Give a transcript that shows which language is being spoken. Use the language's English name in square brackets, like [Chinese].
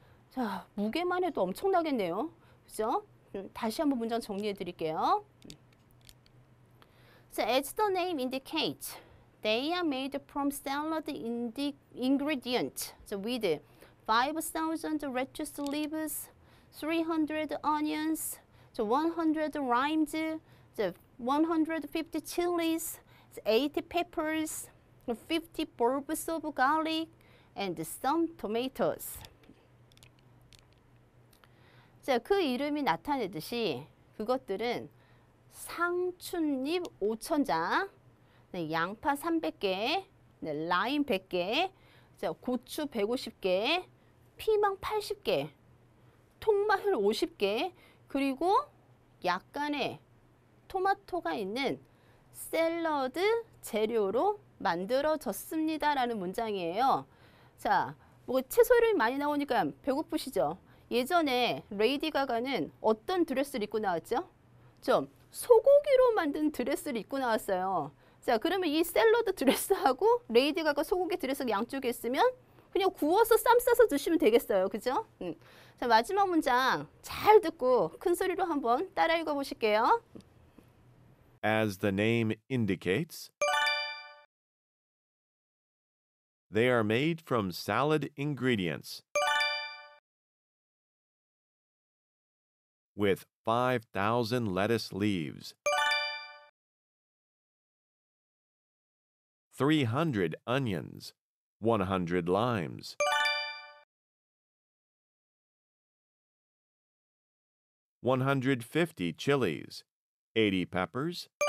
[Korean] 자, 무게만 해도 엄청나겠네요. 그죠? 다시 한번 문장 정리해 드릴게요. [English] So, as the name indicates, they are made from salad ingredients. So, with 5,000 lettuce leaves, 300 onions, so 100 limes, so 150 chilies, so 80 peppers, 50 bulbs of garlic, and some tomatoes. [Korean] 자, 그 이름이 나타내듯이 그것들은 상추잎 5,000장, 네, 양파 300개, 네, 라임 100개, 자, 고추 150개, 피망 80개, 통마늘 50개, 그리고 약간의 토마토가 있는 샐러드 재료로 만들어졌습니다라는 문장이에요. 자, 뭐 채소 이름이 많이 나오니까 배고프시죠? 예전에 레이디 가가는 어떤 드레스를 입고 나왔죠? 좀 소고기로 만든 드레스를 입고 나왔어요. 자, 그러면 이 샐러드 드레스하고 레이디 가가 소고기 드레스 양쪽에 있으면 그냥 구워서 쌈 싸서 드시면 되겠어요. 그죠? 자, 마지막 문장 잘 듣고 큰 소리로 한번 따라 읽어 보실게요. [English] As the name indicates, they are made from salad ingredients. With 5,000 lettuce leaves, 300 onions, 100 limes, 150 chilies, 80 peppers,